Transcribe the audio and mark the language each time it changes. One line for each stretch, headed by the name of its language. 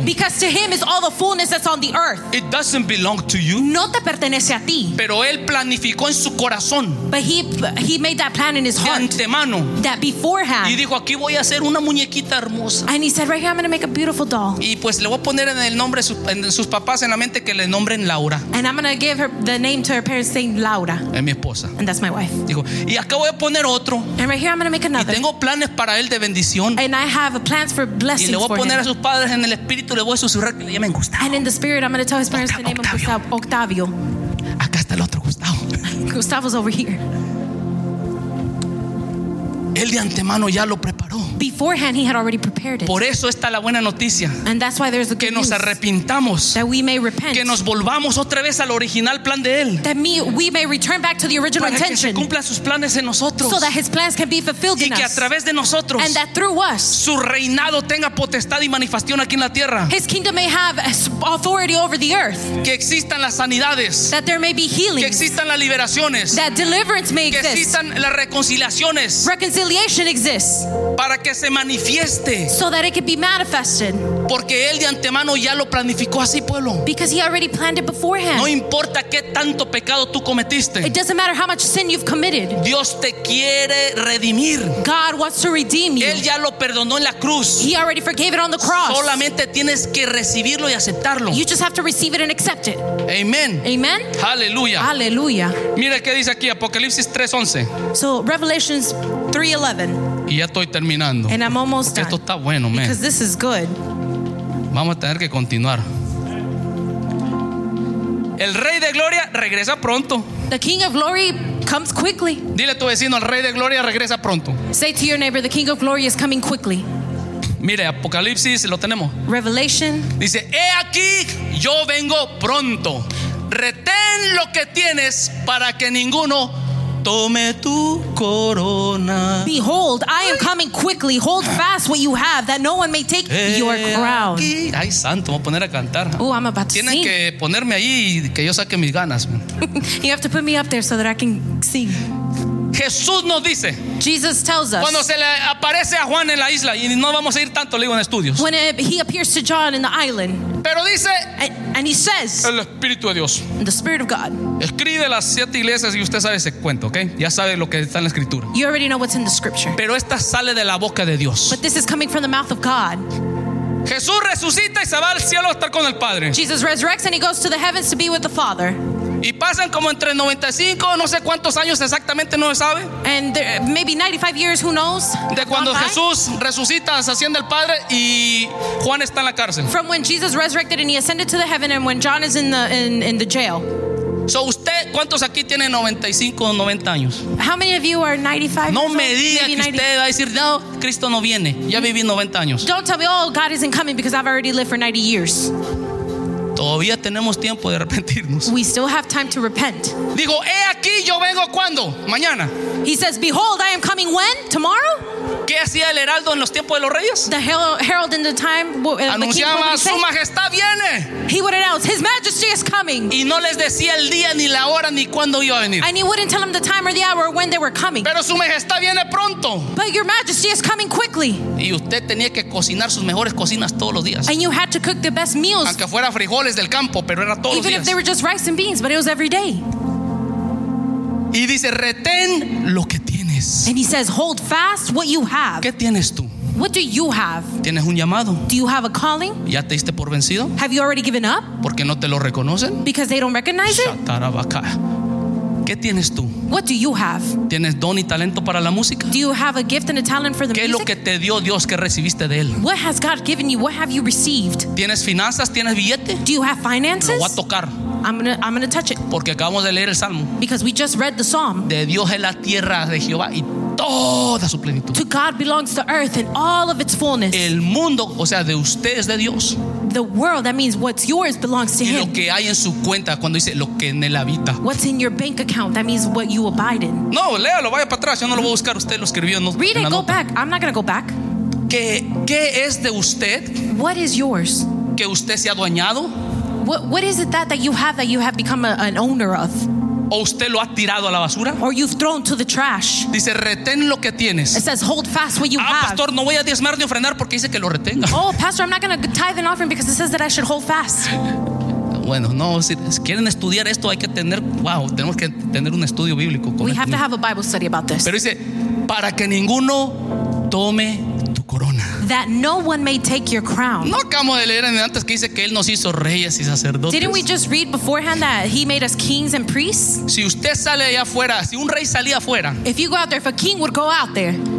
English: Because to him is all the fullness that's on the earth. It doesn't belong to you.
Spanish: No te pertenece a ti. Pero él planificó en su corazón.
English: But he made that plan in his heart.
Spanish: De antemano.
English: That beforehand.
Spanish: Y dijo aquí voy a hacer una muñequita hermosa.
English: And he said right here I'm going to make a beautiful doll.
Spanish: Y pues le voy a poner en el nombre en sus papás en la mente que le nombren Laura.
English: And I'm going to give her the name to her parents saying Laura.
Spanish: Es mi esposa.
English: And that's my wife.
Spanish: Dijo, y acá voy a poner otro.
English: And right here I'm going to make another.
Spanish: Y tengo planes para él de bendición.
English: And I have plans for blessings.
Spanish: Y le voy a poner
English: him.
Spanish: A sus padres en el espíritu, le voy a susurrar que le llamen Gustavo.
English: And in the spirit I'm going to tell his parents to name Octavio. Him Gustavo. Octavio.
Spanish: Acá está el otro Gustavo.
English: Gustavo's over here.
Spanish: Él de antemano ya lo preparó.
English: Beforehand he had already prepared it.
Spanish: Por eso está la buena noticia.
English: And that's why there's the
Spanish: que
English: good
Spanish: nos
English: news.
Spanish: Arrepintamos.
English: That we may repent.
Spanish: Que nos volvamos otra vez al original plan de él.
English: That we may return back to the original
Spanish: para
English: intention.
Spanish: Para que se cumplan sus planes en nosotros.
English: So that his plans can be fulfilled
Spanish: y
English: in us.
Spanish: Y que a través de nosotros.
English: And that through us.
Spanish: Su reinado tenga potestad y manifestación aquí en la tierra.
English: His kingdom may have authority over the earth.
Spanish: Que existan las sanidades.
English: That there may be healings.
Spanish: Que existan las liberaciones.
English: That deliverance may
Spanish: que
English: exist.
Spanish: Que existan las reconciliaciones.
English: Reconciliation exists.
Spanish: Para que se manifieste.
English: So that it could be manifested.
Spanish: Porque él de antemano ya lo planificó así, pueblo.
English: Because he already planned it beforehand.
Spanish: No importa qué tanto pecado tú cometiste.
English: It doesn't matter how much sin you've committed.
Spanish: Dios te quiere redimir.
English: God wants to redeem you.
Spanish: Él ya lo perdonó en la cruz.
English: He already forgave it on the cross.
Spanish: Solamente tienes que recibirlo y aceptarlo.
English: You just have to receive it and accept it.
Spanish: Amen.
English: Amen.
Spanish: Aleluya.
English: Aleluya.
Spanish: Mira qué dice aquí Apocalipsis 3:11.
English: So Revelation 3:11.
Spanish: Y ya estoy terminando.
English: And I'm almost done.
Spanish: Esto está bueno, man.
English: Because this is good.
Spanish: Vamos a tener que continuar. El Rey de Gloria regresa pronto.
English: The King of Glory comes quickly.
Spanish: Dile a tu vecino, el Rey de Gloria regresa pronto.
English: Say to your neighbor, the King of Glory is coming quickly.
Spanish: Mire, Apocalipsis lo tenemos.
English: Revelation.
Spanish: Dice, he aquí, yo vengo pronto. Retén lo que tienes para que ninguno tome tu corona.
English: Behold, I am coming quickly. Hold fast what you have, that no one may take your crown.
Spanish: Ay, santo, voy a poner a cantar.
English: Oh, I'm about to
Spanish: tienen
English: sing.
Spanish: Tienen que ponerme ahí que yo saque mis ganas.
English: You have to put me up there so that I can sing.
Spanish: Jesús nos dice,
English: Jesus tells us,
Spanish: cuando se le aparece a Juan en la isla, y no vamos a ir tanto, le digo, en estudios,
English: when it, he appears to John in the island,
Spanish: pero dice,
English: and he says,
Spanish: el Espíritu de Dios,
English: the Spirit of God,
Spanish: escribe las siete iglesias y usted sabe ese cuento, ¿ok? Ya sabe lo que está en la escritura.
English: You already know what's in the scripture.
Spanish: Pero esta sale de la boca de Dios.
English: But this is coming from the mouth of God.
Spanish: Jesús resucita y se va al cielo a estar con el Padre.
English: Jesus resurrects and he goes to the heavens to be with the Father.
Spanish: Y pasan como entre 95, no sé cuántos años exactamente, no se sabe.
English: And there, maybe 95 years, who knows?
Spanish: De cuando Jesús resucita, asciende al Padre y Juan está en la cárcel.
English: From when Jesus resurrected and he ascended to the heaven and when John is in the jail.
Spanish: So usted, ¿cuántos aquí tienen 95 o 90 años?
English: How many of you are 95?
Spanish: No me diga que 90. Usted va a decir, no, Cristo no viene. Ya viví 90 años.
English: Don't tell me, oh, God isn't coming because I've already lived for 90 years.
Spanish: Todavía tenemos tiempo de arrepentirnos.
English: We still have time to repent.
Spanish: Digo, he aquí, yo vengo cuando? Mañana.
English: He says, behold, I am coming when? Tomorrow?
Spanish: ¿Qué hacía el heraldo en los tiempos de los reyes?
English: The herald in the time,
Spanish: anunciaba,
English: the king,
Spanish: su majestad viene.
English: He would announce, his majesty is coming.
Spanish: Y no les decía el día, ni la hora, ni cuándo iba a venir.
English: And he wouldn't tell them the time or the hour when they were coming.
Spanish: Pero su majestad viene pronto.
English: But your majesty is coming quickly.
Spanish: Y usted tenía que cocinar sus mejores cocinas todos los días.
English: And you had to cook the best meals.
Spanish: Aunque fuera frijoles del campo, pero era todos los días.
English: Even if they were just rice and beans, but it was every day.
Spanish: Y dice, retén lo que tienes.
English: And he says, hold fast what you have.
Spanish: ¿Qué tienes tú?
English: What do you have?
Spanish: ¿Tienes un llamado?
English: Do you have a calling?
Spanish: ¿Ya te diste por vencido?
English: Have you already given up?
Spanish: ¿Porque no te lo reconocen?
English: Because they don't recognize it.
Spanish: ¿Qué tienes tú?
English: What do you have?
Spanish: ¿Tienes don y talento para la música?
English: Do you have a gift and a talent for the
Spanish: ¿Qué
English: music?
Spanish: ¿Qué es lo que te dio Dios que recibiste de él?
English: What has God given you? What have you received?
Spanish: ¿Tienes finanzas? ¿Tienes billete?
English: Do you have finances?
Spanish: Lo voy a tocar.
English: I'm gonna touch it.
Spanish: Porque acabamos de leer el Salmo.
English: Because we just read the Psalm.
Spanish: De Dios es la tierra de Jehová y toda su plenitud.
English: To God belongs the earth and all of its fullness.
Spanish: El mundo, o sea, de usted es de Dios.
English: The world, that means what's yours belongs to
Spanish: y
English: him.
Spanish: Lo que hay en su cuenta cuando dice lo que en él habita.
English: What's in your bank account, that means what you abide in.
Spanish: No, léalo, vaya para atrás, yo no lo voy a buscar, usted lo escribió.
English: No, read it, go back, I'm not gonna go back.
Spanish: ¿Qué es de usted?
English: What is yours?
Spanish: ¿Que usted se ha adueñado?
English: What is it that you have become an owner of?
Spanish: ¿O usted lo ha tirado a la basura?
English: Or you've thrown to the trash.
Spanish: Dice, retén lo que tienes.
English: It says, hold fast what you have.
Spanish: Ah, pastor, no voy a diezmar ni ofrendar porque dice que lo retenga.
English: Oh, pastor, I'm not going to tithe an offering because it says that I should hold fast.
Spanish: Bueno, no, si quieren estudiar esto, hay que tener, wow, tenemos que tener un estudio bíblico.
English: We have to have a Bible study about this.
Spanish: Pero dice, para que ninguno tome tu corona.
English: That no one may take your crown.
Spanish: No acabo de leer antes que dice que él nos hizo reyes y sacerdotes.
English: Didn't we just read beforehand that he made us kings and priests?
Spanish: Si usted sale allá afuera, si un rey salía afuera.
English: If you go out there, if a king would go out there.